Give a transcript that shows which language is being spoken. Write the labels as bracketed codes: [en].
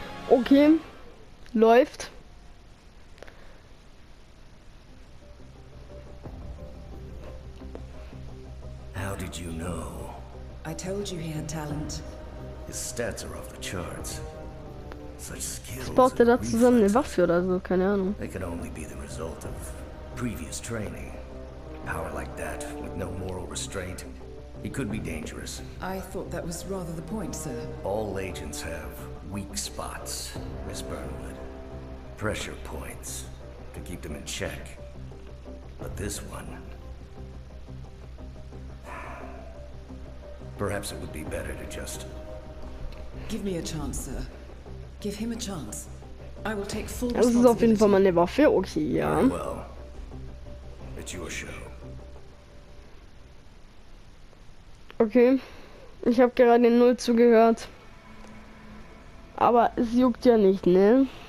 [de] Okay. Läuft. [en] How did you know? I told you he had talent. His stats are off the charts. [de] Was baut er da zusammen, eine Waffe oder so? Keine Ahnung. [en] They could only be the result of previous training. Power like that, with no moral restraint. It could be dangerous. I thought that was rather the point, sir. All agents have weak spots, Miss Burnwood. Pressure points, to keep them in check. But this one... Perhaps it would be better to just... Give me a chance, sir. Give him a chance. I will take full responsibility. [de] Das ist auf jeden Fall meine Waffe, okay, ja. [en] Well, it's your show. Okay. [de] Ich habe gerade den Null zugehört. Aber es juckt ja nicht, ne?